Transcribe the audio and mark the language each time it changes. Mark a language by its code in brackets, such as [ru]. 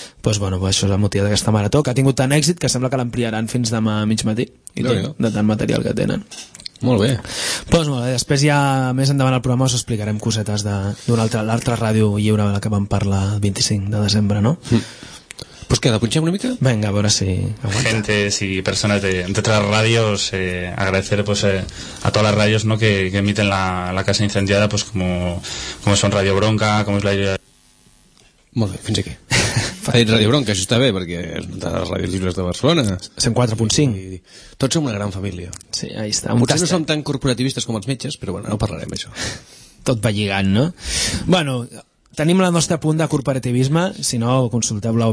[es] Pues bueno, [ca] això és el motiu d'aquesta marató, que ha tingut tant èxit que sembla que l'ampliaran fins demà a mig matí, i tot, de tant material que tenen. Molt bé. Pues molt bé, després ja més endavant al programa us explicarem cosetes d'una altra, l'altra ràdio lliure de la que vam parlar el 25 de desembre, no? Pues queda, punxem una mica? Venga, a veure si aguanta. [es] Gente y personas de otras radios, agradecer, pues, a todas las radios, ¿no?, que emiten la Casa Incendiada, pues como son Radio Bronca, como es la... [ca] Molt bé, fins aquí. Ha dit Radio Bronca, això està bé, perquè és una de les ràdios lliures de Barcelona. 104.5. Tots som una gran família. Sí, ahí està. Potser no som tan corporativistes com els metges, però bueno, no parlarem d'això. Tot va lligant, no? Bueno... Tenim el nostre punt de corporativisme, si no, consulteu la...